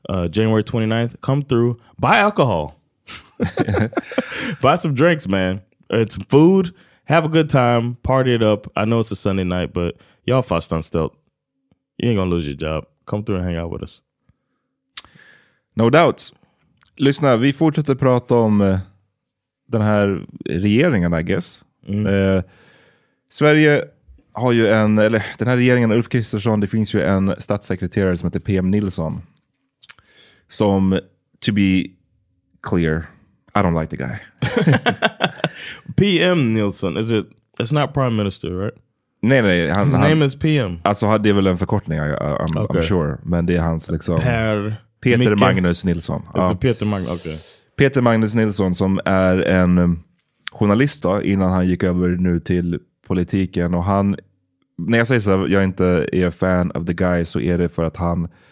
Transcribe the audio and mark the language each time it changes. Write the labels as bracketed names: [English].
[English] January 29th, come through, buy alcohol, buy some drinks, man, and some food, have a good time, party it up. I know it's a Sunday night, but y'all fast on stealth. You ain't gonna lose your job. Come through and hang out with us. No doubt. [Swedish] Lyssna, vi fortsätter prata om den här regeringen, [English] I guess. [Swedish] Mm. Sverige har ju en, eller den här regeringen, Ulf Kristersson, det finns ju en statssekreterare som heter PM Nilsson. Som, [English] to be clear, I don't like the guy. PM Nilsson, is it, it's not prime minister, right? [Swedish] Nej. [English] His name is PM. [Swedish] Alltså, det är väl en förkortning, [English] I'm sure. [Swedish] Men det är hans liksom... Peter Magnus Nilsson. Ja. Peter Magnus, okej. Peter Magnus Nilsson som är en journalist då, innan han gick över nu till politiken. Och han, när jag säger så här, jag inte är [English] fan of the guy, [Swedish] så är det för att han...